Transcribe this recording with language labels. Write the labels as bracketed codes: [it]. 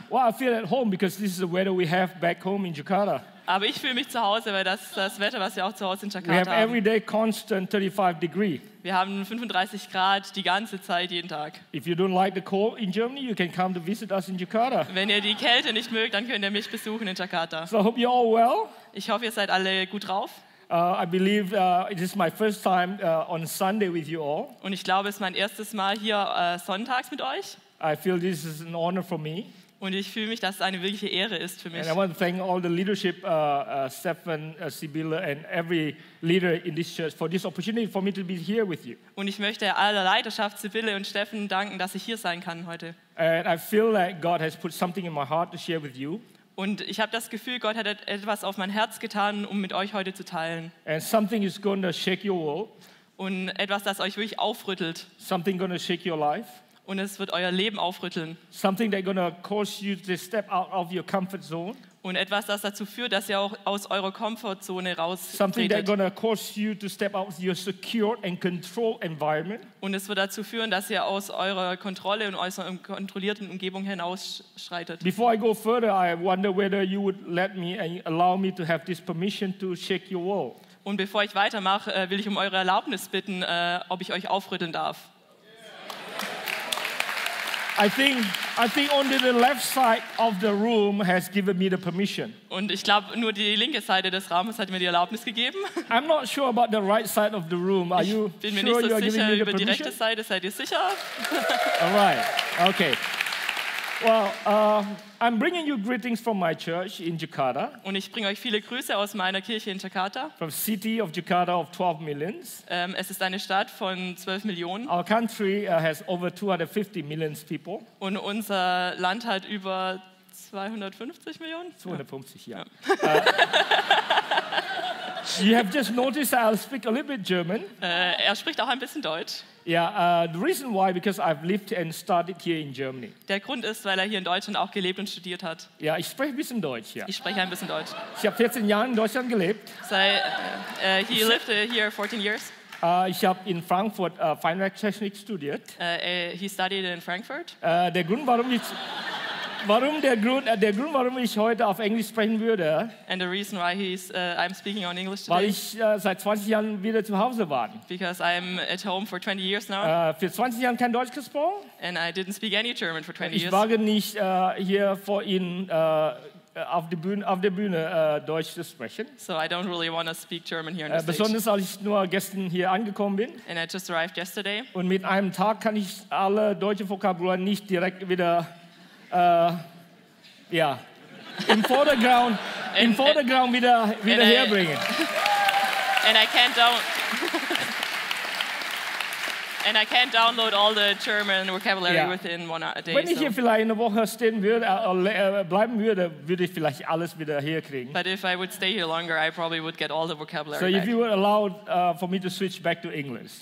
[en] Well, I feel at home because this is the weather we have back home in Jakarta. [de] Aber ich fühle mich zu Hause, weil das ist das Wetter, was wir auch zu Hause in Jakarta haben. [en] We have every day constant 35 degrees. [de] Wir haben 35 Grad die ganze Zeit, jeden Tag. [en] If you don't like the cold in Germany, you can come to visit us in Jakarta. [de] Wenn ihr die Kälte nicht mögt, dann könnt ihr mich besuchen in Jakarta. [en] So I hope you're all well. [de] Ich hoffe, ihr seid alle gut drauf. [en] I believe it is my first time on Sunday with you all. [de] Und ich glaube, es ist mein erstes Mal hier sonntags mit euch. [en] I feel this is an honor for me. [de] Und ich fühle mich, dass es eine wirkliche Ehre ist für mich. [en] And I want to thank all the leadership, Stefan, Sibylle, and every leader in this church for this opportunity for me to be here with you. [de] Und ich möchte aller Leiterschaft, Sibylle und Stefan, danken, dass ich hier sein kann heute. [en] And I feel like God has put something in my heart to share with you. [de] Und ich habe das Gefühl, Gott hat etwas auf mein Herz getan, um mit euch heute zu teilen. [en] And something is going to shake your world. [de] Und etwas, das euch wirklich aufrüttelt. [en] Something going to shake your life. [de] Und es wird euer Leben aufrütteln. [en] Something that's going to cause you to step out of your comfort zone. [de] Und etwas, das dazu führt, dass ihr auch aus eurer Komfortzone raustretet. [en] Something that's going to cause you to step out of your secure and controlled environment. [de] Und es wird dazu führen, dass ihr aus eurer Kontrolle und aus eurer kontrollierten Umgebung hinausschreitet. [en] Before I go further, I wonder whether you would let me and allow me to have this permission to shake your world. [de] Und bevor ich weitermache, will ich um eure Erlaubnis bitten, ob ich euch aufrütteln darf. [en] I think only the left side of the room has given me the permission. [de] Und ich glaube, nur die linke Seite des Raumes hat mir die Erlaubnis gegeben. [en] I'm not sure about the right side of the room. Are you sure you're giving me the permission? [de] Ich bin mir nicht so sicher über die rechte Seite. Seid ihr sicher? [en] All right. Okay. Well, I'm bringing you greetings from my church in Jakarta. [de] Und ich bringe euch viele Grüße aus meiner Kirche in Jakarta. [en] From city of Jakarta of 12 million. [de] Es ist eine Stadt von 12 Millionen. [en] Our country has over 250 million people. [de] Und unser Land hat über 250 Millionen. 250, ja. [en] You have just noticed that I speak a little bit German. [de] Er spricht auch ein bisschen Deutsch. [en] Yeah, the reason why because I've lived and studied here in Germany. [de] Der Grund ist, weil hier in Deutschland auch gelebt und studiert hat. Ja, ich spreche ein bisschen Deutsch, ja. Ich spreche ein bisschen Deutsch. Ich habe 14 Jahre in Deutschland gelebt. [en] He lived here 14 years. [de] Ich habe in Frankfurt Feinwerkstechnik studiert. [en] He studied in Frankfurt. [de] Der Grund, warum ich heute auf Englisch sprechen würde, [en] and the reason why I'm speaking on English today, [de] weil ich seit 20 Jahren wieder zu Hause war. [en] Because I'm at home for 20 years now. [de] Für 20 Jahren kein Deutsch gesprochen. [en] And I didn't speak any German for 20 [de] ich [en] years. [de] Ich wage nicht hier vor Ihnen auf der Bühne Deutsch zu sprechen. [en] So I don't really want to speak German here on the [de] besonders, [en] stage. [de] Besonders, als ich nur gestern hier angekommen bin. [en] And I just arrived yesterday. [de] Und mit einem Tag kann ich alle deutsche Vokabular nicht direkt wieder in foreground wieder herbringen. [en] And I can't download all the German vocabulary within one day. [de] Wenn ich hier vielleicht eine Woche stehen würde, bleiben würde, würde ich vielleicht alles wieder herkriegen. [en] But if I would stay here longer, I probably would get all the vocabulary. So back. If you would allow for me to switch back to English.